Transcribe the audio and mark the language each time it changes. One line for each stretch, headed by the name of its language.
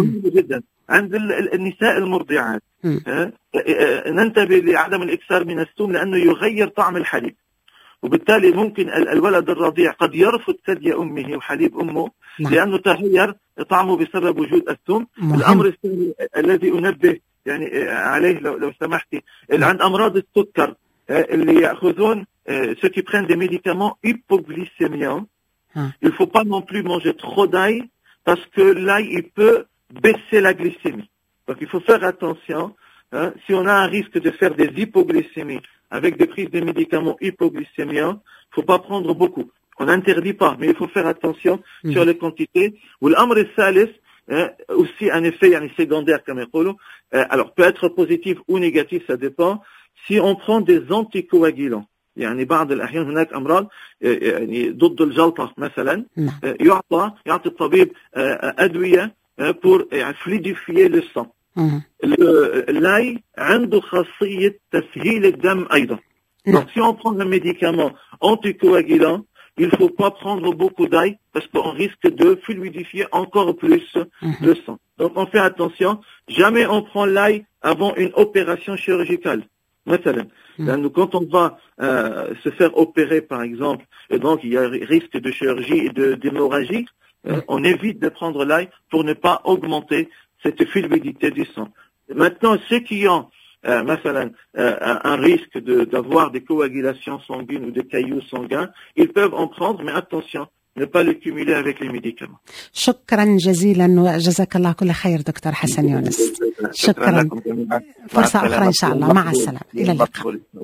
Arabic: جدا عند النساء المرضعات ننتبه لعدم الإكثار من الثوم لأنه يغير طعم الحليب وبالتالي ممكن الولد الرضيع قد يرفض ثدي أمه وحليب أمه. نعم. لأنه تغير طعمه بسبب وجود الثوم. مهم. الأمر الثاني الذي أنبه يعني عليه لو سمحتي عند أمراض السكر اللي يأخذون
French: ceux qui prennent des médicaments hypoglycémiens il faut pas non plus manger trop d'ail parce que l'ail il peut baisser la glycémie donc il faut faire attention si on a un risque de faire des hypoglycémies avec des prises de médicaments hypoglycémiens, il ne faut pas prendre beaucoup. On n'interdit pas, mais il faut faire attention sur les quantités. Ou l'amr et salis, aussi un effet yani secondaire, comme on dit, alors peut être positif ou négatif, ça dépend. Si on prend des anticoagulants,
Arabic: يعني بعض الأحيان هناك أمراض يعني ضد الجلطة مثلا, يعطي الطبيب أدوية
French: pour fluidifier le sang.
Arabic: اللاي عنده خاصية تسهيل الدم أيضا.
French: Donc si on prend un médicament anticoagulant, il ne faut pas prendre beaucoup d'ail parce qu'on risque de fluidifier encore plus le sang. Donc on fait attention. Jamais on prend l'ail avant une opération chirurgicale. مثلا quand on va se faire opérer par exemple, et donc il y a risque de chirurgie et de d'hémorragie, on évite de prendre l'ail pour ne pas augmenter cette fluidité du sang. Maintenant, ceux qui ont, un risque d'avoir des coagulations sanguines ou des cailloux sanguins, ils peuvent en prendre, mais attention, ne pas les cumuler avec les médicaments.
Arabic: شكرا جزيلا وجزاك الله كل خير دكتور حسن يونس. شكرا. فرصة أخرى إن شاء الله. مع السلامة. إلى اللقاء.